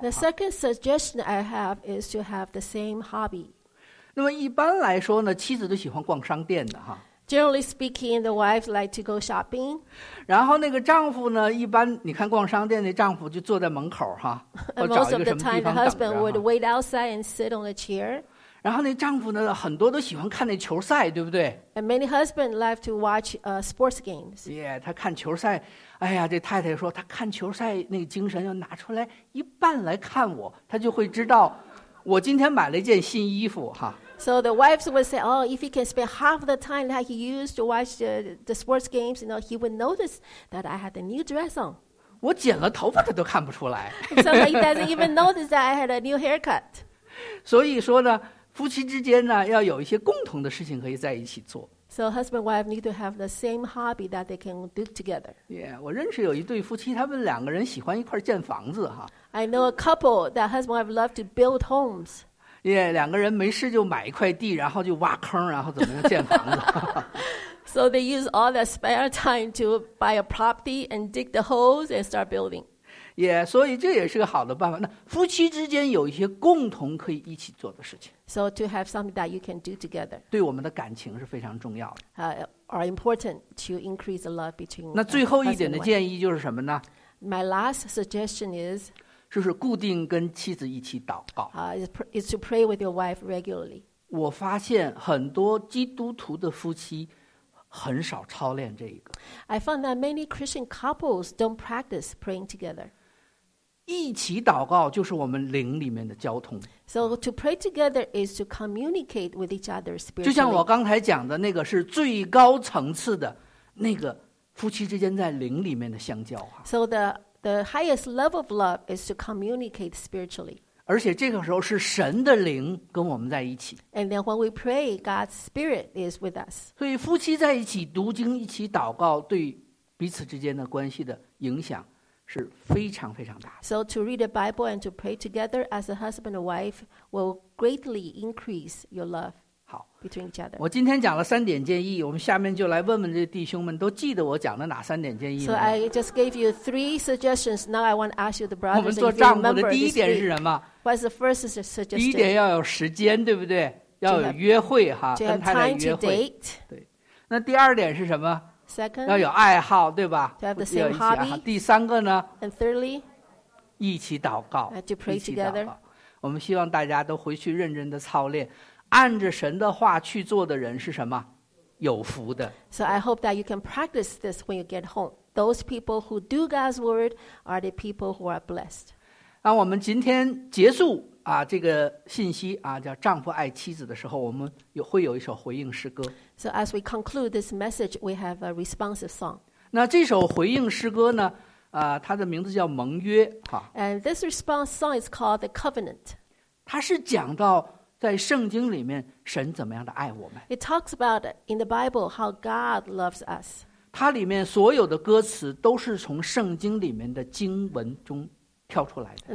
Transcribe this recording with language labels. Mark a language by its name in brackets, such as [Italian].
[English] The second suggestion I have is to have the same hobby. [Chinese] 那么一般来说呢，妻子都喜欢逛商店的哈。 [English] Generally speaking, the wives like to go shopping. [Chinese] 然后那个丈夫呢，一般你看逛商店的丈夫就坐在门口哈。 [English] And most of the time, the husband would wait outside and sit on a chair. [Chinese] 然后那丈夫呢，很多都喜欢看那球赛，对不对 [English] ？And many husbands like to watch sports games. [Chinese] Yeah, 他看球赛，哎呀，这太太说他看球赛那个精神要拿出来一半来看我，他就会知道。我今天买了一件新衣服哈。 [English] So the wives would say, oh, if he can spend half the time that he used to watch the sports games, you know, he would notice that I had a new dress on. [Chinese] 我剪了头发他都看不出来。 [English] So he doesn't even notice that I had a new haircut. [Chinese] 所以说呢，夫妻之间呢，要有一些共同的事情可以在一起做。 [English] So husband and wife need to have the same hobby that they can do together. [Chinese] Yeah, 我认识有一对夫妻，他们两个人喜欢一块建房子哈。 [English] I know a couple that husband and wife love to build homes. [Chinese] Yeah, 两个人没事就买一块地，然后就挖坑，然后怎么样建房子。 [English] So they use all their spare time to buy a property and dig the holes and start building. [Chinese] Yeah, 所以这也是个好的办法。那夫妻之间有一些共同可以一起做的事情。 [English] So to have something that you can do together. [Chinese] 对我们的感情是非常重要的。 [English] Are important to increase the love between. [Chinese] 那最后一点的建议就是什么呢？ [English] My last suggestion is. [Chinese] 就是固定跟妻子一起祷告。 [English] Is to pray with your wife regularly. [Chinese] 我发现很多基督徒的夫妻很少操练这一个。 [English] I found that many Christian couples don't practice praying together. [Chinese] 一起祷告就是我们灵里面的交通。 [English] So to pray together is to communicate with each other spiritually. [Chinese] 就像我刚才讲的那个是最高层次的那个夫妻之间在灵里面的相交。 [English] So the highest level of love is to communicate spiritually. [Chinese] 而且这个时候是神的灵跟我们在一起。 [English] And then when we pray, God's spirit is with us. [Chinese] 所以夫妻在一起读经一起祷告对彼此之间的关系的影响是非常非常大的。 [English] So to read the Bible and to pray together as a husband and wife will greatly increase your love between each other. [Chinese] 我今天讲了三点建议，我们下面就来问问这弟兄们，都记得我讲的哪三点建议吗？ [English] So I just gave you three suggestions. Now I want to ask you the brothers. [Chinese] 我们做丈夫的第一点是什么？ [English] What's the first suggestion? [Chinese] 第一点要有时间，对不对？要有约会哈，跟太太约会。 [English] To date. [Chinese] 对。那第二点是什么？ [English] Second, [Chinese] 要有爱好，对吧？ [English] To have the same hobby. [Chinese] 第三个呢？ [English] And thirdly, [Chinese] 一起祷告。 [English] To pray together. [Chinese] 我们希望大家都回去认真的操练，按着神的话去做的人是什么？有福的。 [English] So I hope that you can practice this when you get home. Those people who do God's word are the people who are blessed. [Chinese] 那我们今天结束啊，这个信息啊，叫丈夫爱妻子的时候，我们有会有一首回应诗歌。 [English] So as we conclude this message, we have a responsive song. [Chinese] 那这首回应诗歌呢，它的名字叫盟约哈。 [English] And this response song is called the Covenant. [Chinese] 它是讲到在圣经里面神怎么样的爱我们。 [English] It talks about in the Bible how God loves us. [Chinese] 它里面所有的歌词都是从圣经里面的经文中跳出来的。